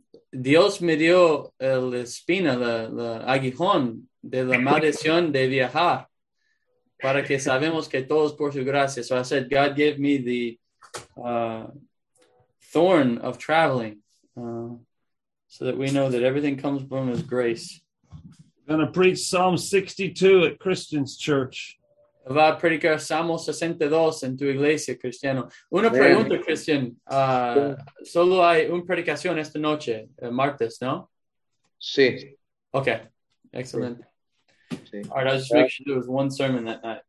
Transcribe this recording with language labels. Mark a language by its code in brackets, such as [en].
[es] Dios me dio la espina, el aguijón de la maldición de viajar para que sabemos que todos por su gracia. [en] So I said, God gave me the thorn of traveling so that we know that everything comes from his grace. Going to preach Psalm 62 at Christian's church. [es] Va a predicar Salmo 62 en tu iglesia, Cristiano. Una pregunta, Christian. Solo hay una predicación esta noche, el martes, ¿no? Sí. [en] Okay. Excellent. Sí. All right, I'll just make sure there was one sermon that night.